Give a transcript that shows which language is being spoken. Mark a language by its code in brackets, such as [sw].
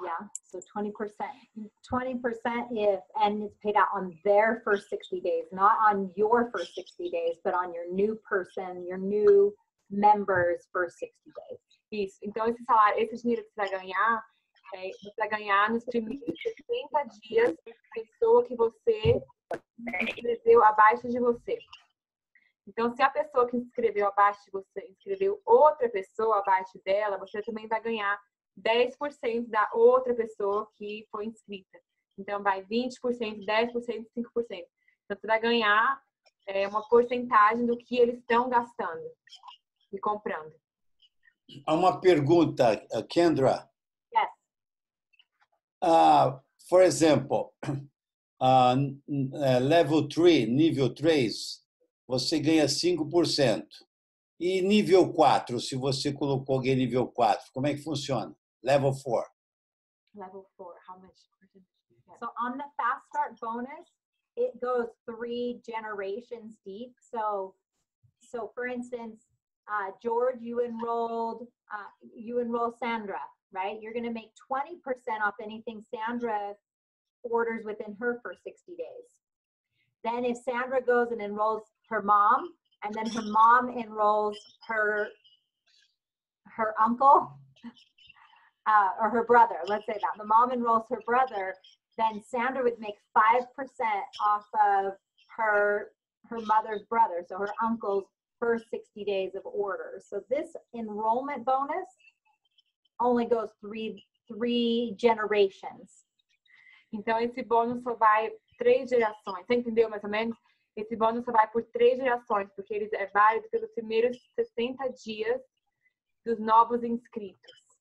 [en] Yeah, so 20% if, and it's paid out on their first 60 days, not on your first 60 days, but on your new person, your new member's first 60 days. [pt] Isso, então esse salário, esse dinheiro que você vai ganhar nos primeiros 60 dias, a pessoa que você inscreveu abaixo de você. Então, se a pessoa que inscreveu abaixo de você inscreveu outra pessoa abaixo dela, você também vai ganhar 10% da outra pessoa que foi inscrita. Então, vai 20%, 10%, 5%. Então, você vai ganhar uma porcentagem do que eles estão gastando e comprando. Há uma pergunta, Kendra. [en] Yes. For example... level 3, [pt] nível 3, você ganha 5%. E nível 4, se você colocou alguém nível 4, como é que funciona? [en] Level 4. Level 4, how much? So, on the fast start bonus, it goes 3 generations deep. So for instance, George, you enrolled Sandra, right? You're going to make 20% off anything Sandra orders within her first 60 days. Then if Sandra goes and enrolls her mom, and then her mom enrolls her uncle, or her brother, let's say that. The mom enrolls her brother, then Sandra would make 5% off of her mother's brother, so her uncle's first 60 days of orders. So this enrollment bonus only goes three generations. [pt] Então esse bônus só vai três gerações. Você entendeu mais ou menos? Esse bônus só vai por três gerações, porque ele é válido pelos primeiros 60 dias dos novos inscritos.